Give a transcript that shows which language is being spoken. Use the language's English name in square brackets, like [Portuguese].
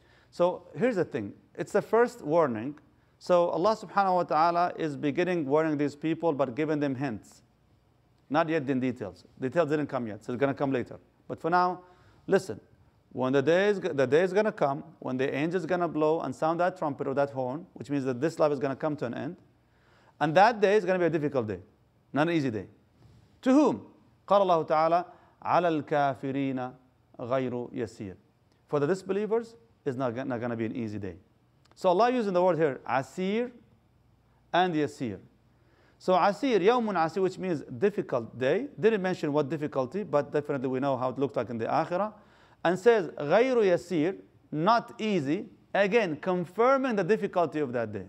[English] So here's the thing. It's the first warning. So Allah subhanahu wa ta'ala is beginning warning these people, but giving them hints. Not yet in details. Details didn't come yet, so it's going to come later. But for now, listen. When the day is going to come, when the angel is going to blow and sound that trumpet or that horn, which means that this life is going to come to an end, and that day is going to be a difficult day, not an easy day. To whom? [Arabic] قال الله تعالى, عَلَى الْكَافِرِينَ غَيْرُ يَسِيرٌ. [English] For the disbelievers, it's not going to be an easy day. So Allah using the word here, عَسِير and يَسِير. So عَسِير, [Arabic] يَوْمٌ عَسِير, [English] which means difficult day. Didn't mention what difficulty, but definitely we know how it looked like in the Akhirah. And says, [Arabic] غَيْرُ يَسِيرُ, [English] not easy, again, confirming the difficulty of that day.